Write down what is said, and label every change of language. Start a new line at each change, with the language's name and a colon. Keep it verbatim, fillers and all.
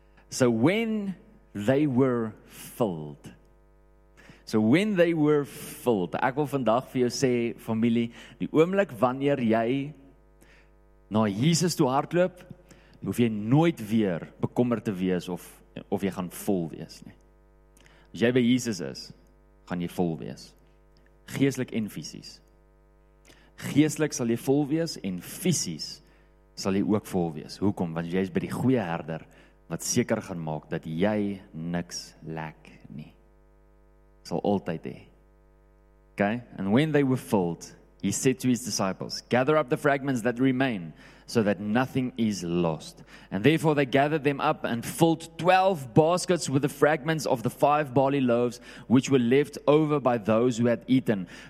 English: So when they were filled. So when they were filled.
Afrikaans: Ek wil vandag vir jou sê, familie, die oomblik wanneer jy na Jesus toe hardloop, hoef jy nooit weer bekommerd te wees of, of jy gaan vol wees nie. As jy by Jesus is, gaan jy vol wees. Geestelik en fisies. Geestelik sal jy vol wees en fisies sal jy ook vol wees. Hoekom? Want jy is by die goeie herder wat seker gaan maak dat jy niks lek nie. Sal altyd hê. Okay?
English: And when they were filled, he said to his disciples, "Gather up the fragments that remain, so that nothing is lost." And therefore they gathered them up and filled twelve baskets with the fragments of the five barley loaves, which were left over by those who had eaten.